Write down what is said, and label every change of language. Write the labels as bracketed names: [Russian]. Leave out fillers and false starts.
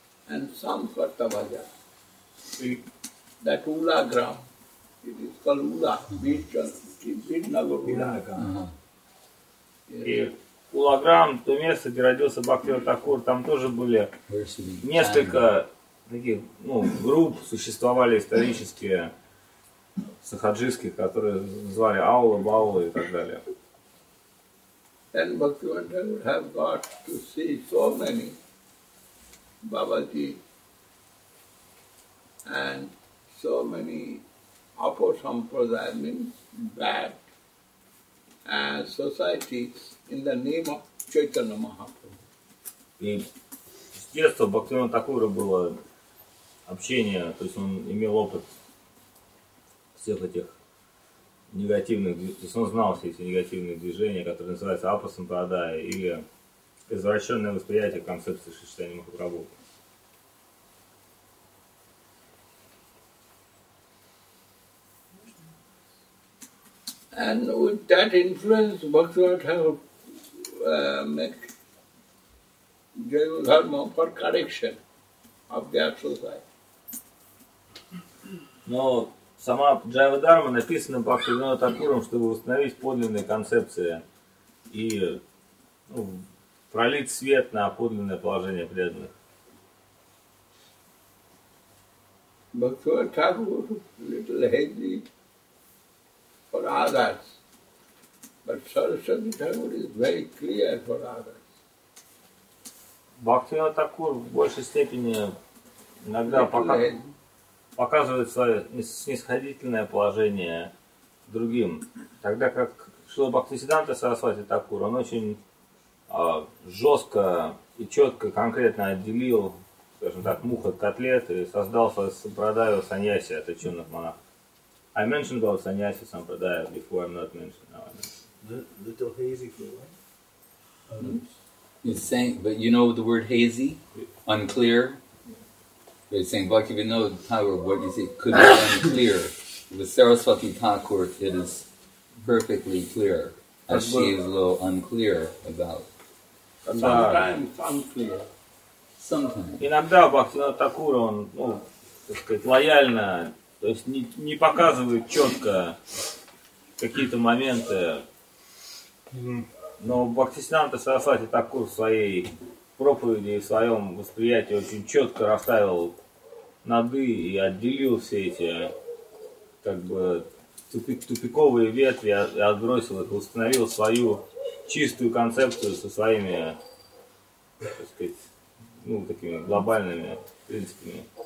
[English] And Samkartavaja, the Ula gram, it is called Ula, which is Vidnagar. [Russian] Ula gram, то место, где родился Бхактивинода Тхакур, там тоже были несколько таких, ну, групп, существовали исторически сахаджистских, которые звали Аула, Баула и так далее. [English] And Bhaktivinoda Thakur have got to see so many Babaji and so many aposampradaya means bad and societies in the name of Chaitanya Mahaprabhu. [Russian] И с детства Бхактивинода Тхакура было общение, то есть он имел опыт всех этих негативных, то есть он знал все эти негативные движения, которые называются аposampradaya или извращенное восприятие концепции Шри Чайтаньи Махапрабху. [English] And with that influence, Bhaktivinoda Thakur make Jaiva Dharma for correction of their society. [Russian] Но сама Джайва Дарма написана Бхактивинода Тхакуром, чтобы восстановить подлинные концепции и, ну, пролить свет на подлинное положение преданных. [English] Бхактивинода Тхакур little hazy for others, but Saraswati Thakur is very clear for others. [Russian] Бхактивинода Тхакур в большей степени иногда показывает свое снисходительное положение другим. Тогда как Шрила Бхактисиддханта Сарасвати Тхакур, он очень жестко и четко конкретно отделил, скажем так, мух от котлет и создал свое сампрадаю саньяси от отеченных монахов. [English] I mentioned about sannyasi sampradaya before, I'm not mentioning now. Little hazy for what? He's saying, but you know the word hazy? Yeah. Unclear? Yeah. But he's saying, Bhaktivinoda Thakur, what you say, could be unclear. With Saraswati Thakur, it is perfectly clear. As she is a little unclear about. Sometimes unclear. Sometimes. [Russian] Иногда Бхактивинода Тхакур, он, ну, так сказать, лояльно. То есть не показывают четко какие-то моменты. Но Бхактисиддханта Сарасвати Тхакур в своей проповеди и в своем восприятии очень четко расставил нады и отделил все эти как бы тупиковые ветви и отбросил их, установил свою чистую концепцию со своими, так сказать, ну, такими глобальными принципами.